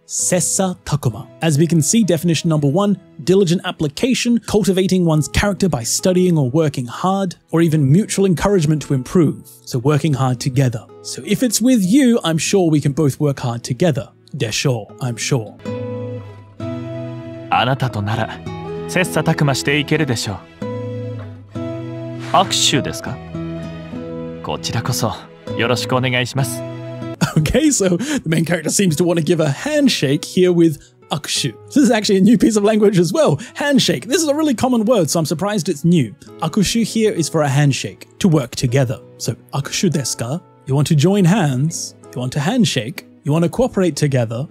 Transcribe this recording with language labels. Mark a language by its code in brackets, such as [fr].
[en] 切磋琢磨。As we can see, definition number one, diligent application, cultivating one's character by studying or working hard, or even mutual encouragement to improve. So working hard together. So if it's with you, I'm sure we can both work hard together. でしょう, I'm sure. [ja] あなたとなら、切磋琢磨していけるでしょう。握手ですか?こちらこそ、よろしくお願いします。 [en] Okay, so the main character seems to want to give a handshake here with akushu. This is actually a new piece of language as well. Handshake. This is a really common word, so I'm surprised it's new. Akushu here is for a handshake, to work together. So, [ja] akushu desu ka? [en] You want to join hands, you want to handshake, you want to cooperate together.